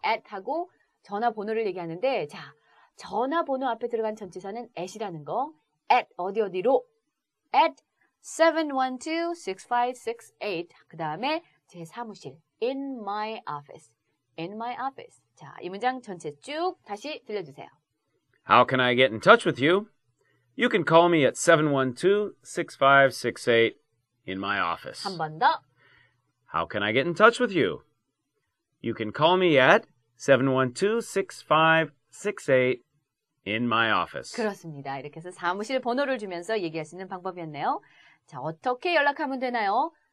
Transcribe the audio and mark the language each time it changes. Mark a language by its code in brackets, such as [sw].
[ko] At 하고 전화번호를 얘기하는데 자, 전화번호 앞에 들어간 전치사는 at이라는 거. At 어디 어디로? At 712-6568. 그 다음에 제 사무실. [en] In my office. In my office. [ko] 자, 이 문장 전체 쭉 다시 들려주세요. [en] How can I get in touch with you? You can call me at 712-6568 in my office. [ko] 한 번 더. [en] How can I get in touch with you? You can call me at 712-6568 in my office. [ko] 그렇습니다. 이렇게 해서 사무실 번호를 주면서 얘기할 수 있는 방법이었네요. 자, 어떻게 연락하면 되나요?